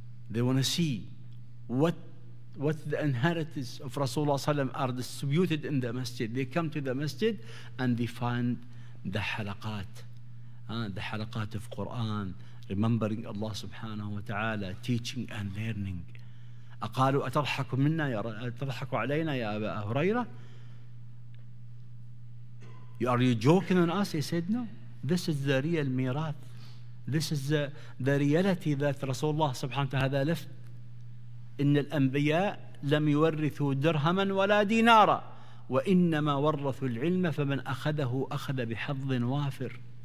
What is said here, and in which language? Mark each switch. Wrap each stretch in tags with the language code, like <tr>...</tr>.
<en>They want to see what the inheritance of Rasulullah Sallam are distributed in the masjid. They come to the masjid and they find the halaqat of Quran, remembering Allah subhanahu wa ta'ala, teaching and learning.</en> <ar>أقالوا أتضحك منا يا تضحك علينا يا أبا هريرة.</ar> <en>Are you joking on us? He said, no. This is the real mirath. This is the reality that Rasulullah subhanahu wa ta'ala left.</en> <ar>إِنَّ الْأَنْبِيَاءَ لَمْ يُوَرِّثُوا دِرْهَمًا وَلَا دِينَارًا وَإِنَّمَا وَرَّثُوا الْعِلْمَ فَمَنْ أَخَذَهُ أَخَذَ بِحَظٍ وَافِرٍ.</ar>